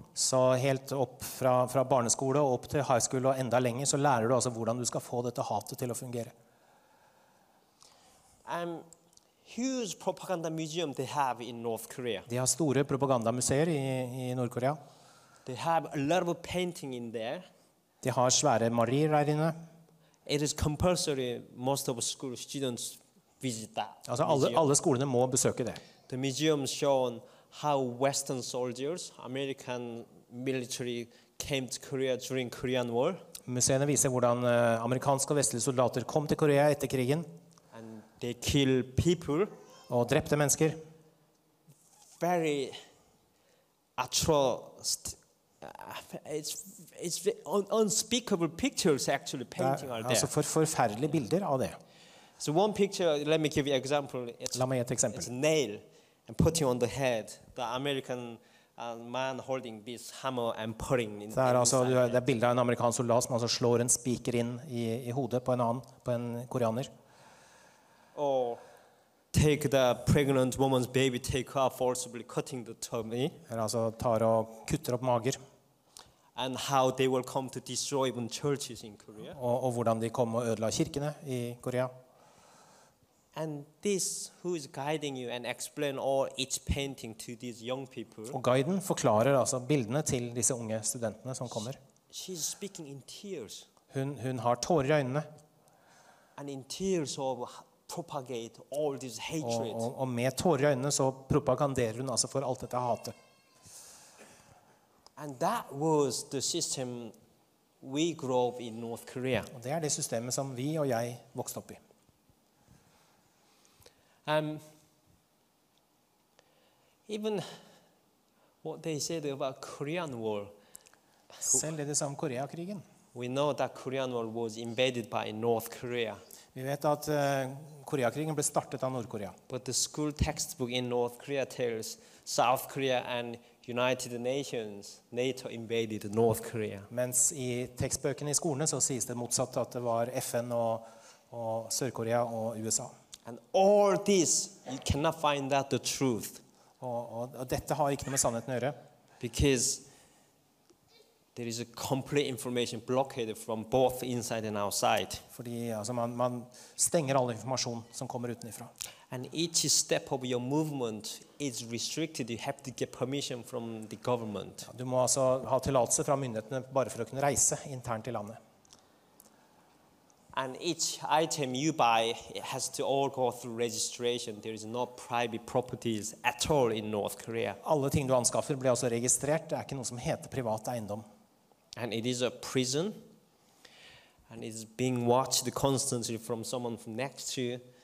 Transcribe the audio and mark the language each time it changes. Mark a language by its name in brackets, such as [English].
[Norwegian] Så helt opp fra barneskole og opp til high school og enda lenger, så lærer du altså hvordan du skal få dette hatet til å fungere. [English] Huge propaganda museum they have in North Korea. [Norwegian] De har store propagandamuseer I Nordkorea. [English] They have a lot of painting in there. [Norwegian] De har svære marier der inne. [English] It is compulsory most of school students visit that. [Norwegian] Altså alle skolene må besøke det. [English] The museum shown how Western soldiers, American military, came to Korea during Korean War. [Norwegian] Museene viser hvordan amerikanske og vestlige soldater kom til Korea etter krigen. [English] And they kill people. [Norwegian] Og drepte mennesker. [English] Very atrocious. It's unspeakable pictures actually painting are there. [Norwegian] Altså forferdelige bilder av det. [English] So one picture, let me give you an example. [Norwegian] La meg gi et eksempel. [English] It's a nail and putting on the head. The American man holding this hammer and putting in. [Norwegian] Det altså det bildet av en amerikansk soldat som altså slår en spiker inn I hodet på en annen, på en koreaner. [English] Or take the pregnant woman's baby, take her forcibly cutting the tummy. [Norwegian] Eller altså tar og kutter opp mager. [English] And how they will come to destroy even churches in Korea. [Norwegian] Og hvordan de kom og ødela kirkene I Korea. [English] And this, who is guiding you and explain all each painting to these young people? [Norwegian] Og guiden forklarer altså bildene til disse unge studentene som kommer. [English] She's speaking in tears. [Norwegian] Hun har tårer I øynene. [English] And in tears of propagate all this hatred. [Norwegian] Og med tårer I øynene så propaganderer hun altså for alt dette hatet. [English] And that was the system we grew up in North Korea. [Norwegian] Og det det systemet som vi og jeg vokste opp I. [English] Even what they said about Korean War. [Norwegian] Selv det som Koreakrigen. [English] We know that Korean War was invaded by North Korea. [Norwegian] Vi vet at Koreakrigen ble startet av Nord-Korea. [English] But the school textbook in North Korea tells South Korea and United Nations, NATO invaded North Korea. [Norwegian] Mens I tekstbøkene I skolene så sies det motsatt at det var FN og Sør-Korea og USA. [English] And all this, you cannot find that the truth. [Norwegian] Og dette har ikke noe med sannheten å gjøre. [English] Because there is a complete information blockade from both inside and outside. [Norwegian] Fordi altså, man stenger all informasjon som kommer utenifra. [English] And each step of your movement is restricted. You have to get permission from the government. [Norwegian] Du må altså ha tillatelse fra myndighetene bare for å kunne reise internt I landet. [English] And each item you buy has to all go through registration. There is no private properties at all in North Korea. [Norwegian] Alle ting du anskaffer blir altså registrert. Det ikke noe som heter privat eiendom. [English] And it is a prison. And it's being watched constantly from someone from next to you.